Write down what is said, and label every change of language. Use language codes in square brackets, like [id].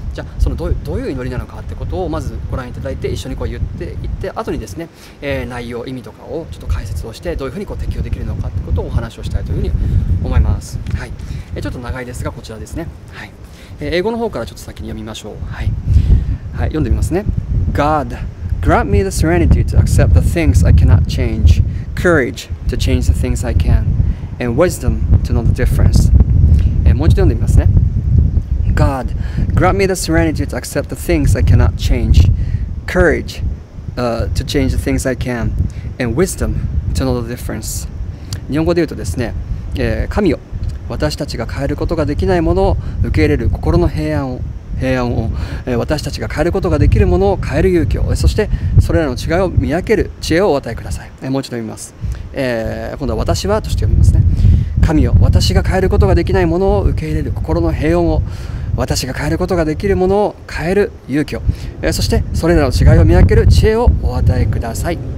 [ja] じゃあそのどういう祈りなのかってことをまずご覧いただいて、一緒にこう言っていって、後にですね、内容意味とかをちょっと解説をして、どういうふうにこう適用できるのかってことをお話をしたいというふうに思います。はい、ちょっと長いですがこちらですね。はい、英語の方からちょっと先に読みましょう。はい、はい、読んでみますね。 [en] God grant me the serenity to accept the things I cannot changeCourage to change the things I can, and wisdom to know the difference. [ja] もう一度読んでみますね。 [en] God, grant me the serenity to accept the things I cannot change, courage, to change the things I can, and wisdom to know the difference. [ja] 日本語で言うとですね、神よ、私たちが変えることができないものを受け入れる心の平安を、私たちが変えることができるものを変える勇気を、そしてそれらの違いを見分ける知恵をお与えください。もう一度読みます。今度は私はとして読みますね。神よ、私が変えることができないものを受け入れる心の平穏を、私が変えることができるものを変える勇気を、そしてそれらの違いを見分ける知恵をお与えください。